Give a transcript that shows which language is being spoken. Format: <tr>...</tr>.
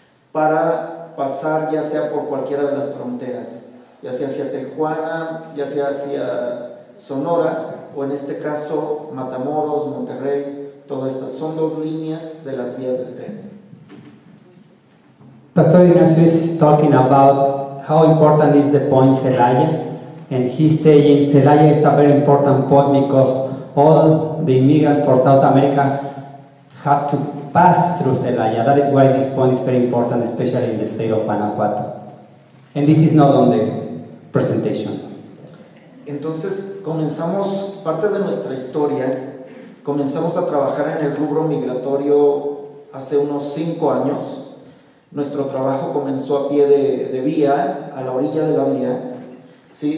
<es>para pasar ya sea por cualquiera de las fronteras, ya sea hacia Tijuana, ya sea hacia Sonora, o en este caso Matamoros, Monterrey, todas estas son dos líneas de las vías del tren.</es> <en>Pastor Ignacio is talking about how important is the point Celaya, and he's saying Celaya is a very important point because all the immigrants from South America have to pass through Celaya. That is why this point is very important, especially in the state of Guanajuato. And this is not on the presentation.</en> <es>Entonces, comenzamos, parte de nuestra historia, comenzamos a trabajar en el rubro migratorio hace unos 5 años. Nuestro trabajo comenzó a pie de vía, a la orilla de la vía, ¿sí?</es>